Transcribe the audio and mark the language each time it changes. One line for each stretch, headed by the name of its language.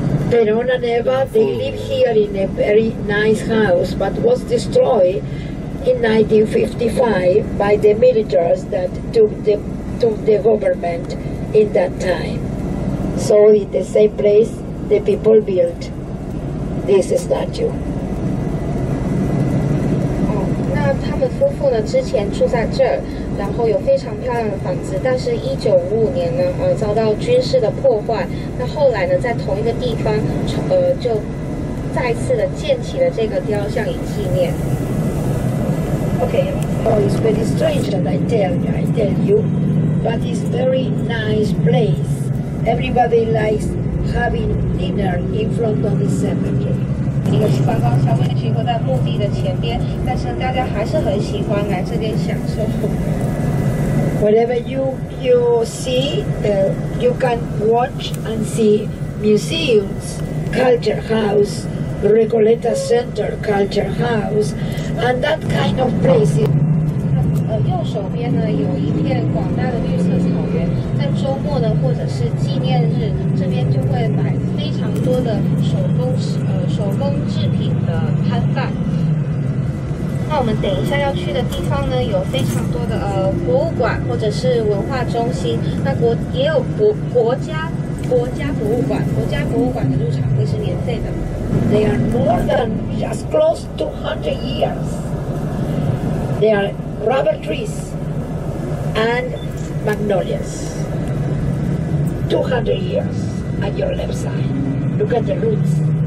English: Perón and Eva, they live here in a very nice house, but was destroyed in 1955 by the militaries that took the government in that time. So in the same place, the people built this statue.
Chinese: 那他们夫妇呢之前住在这儿，然后有非常漂亮的房子，但是1955年呢遭到军事的破坏，那后来呢在同一个地方就再次的建起了这个雕像以纪念。
English: Okay, oh, it's very strange that I tell you. But it's very nice place. Everybody likes having dinner in front of the cemetery.
Chinese: 我是刚刚稍微经过在墓地的前边，但是大家还是很喜欢来这边享受。
English: Whatever you see, you can watch and see museums, culture house, Recoleta Center, culture house, and that kind of places.
Chinese: 右手边呢有一片广大的绿色草原，在周末呢，或者是纪念日，这边就会摆非常多的手工制品的摊贩。那我们等一下要去的地方呢，有非常多的博物馆或者是文化中心，那也有国家博物馆的入场会是免费的。
English: They are more than just close to 100 years. They are rubber trees and magnolias. 200 years at your left side. Look at the roots.